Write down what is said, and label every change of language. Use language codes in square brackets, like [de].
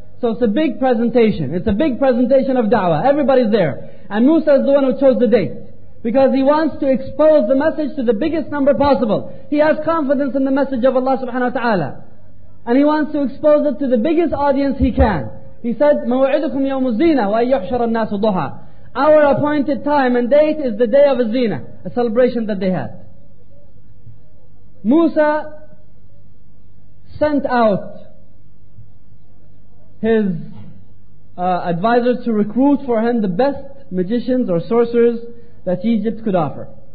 [en] So it's a big presentation. It's a big presentation of da'wah. Everybody's there. And Musa is the one who chose the date, because he wants to expose the message to the biggest number possible. He has confidence in the message of Allah subhanahu wa ta'ala. And he wants to expose it to the biggest audience he can. He said, [ar] "مَوْعِدُكُمْ يَوْمُ الزِّينَةِ وَأَنْ يُحْشَرَ النَّاسُ ضُحَى." [en] Our appointed time and date is the day of Zina, a celebration that they had. Musa sent out his advisors to recruit for him the best magicians or sorcerers that Egypt could offer.